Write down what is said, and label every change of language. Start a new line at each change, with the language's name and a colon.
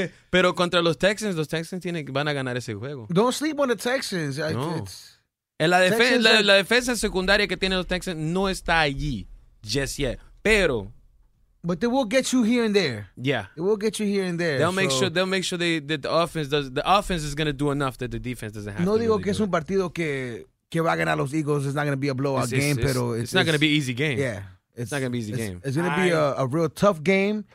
Spanish: Pero contra los Texans van a ganar ese juego.
English: Don't sleep on the Texans.
Spanish: No. La defensa secundaria que tienen los Texans no está allí
English: just yet.
Spanish: Pero.
English: But they will get you here and there. Yeah. They will get you here and there. They'll make sure that the offense is going to do enough that the defense doesn't have no to.
Spanish: No digo
English: really
Spanish: que es un partido que va a ganar los Eagles.
English: It's not going to be a blowout game, but it's not going to be an easy game. Yeah. It's not going to be an easy game. It's going to be a real tough game.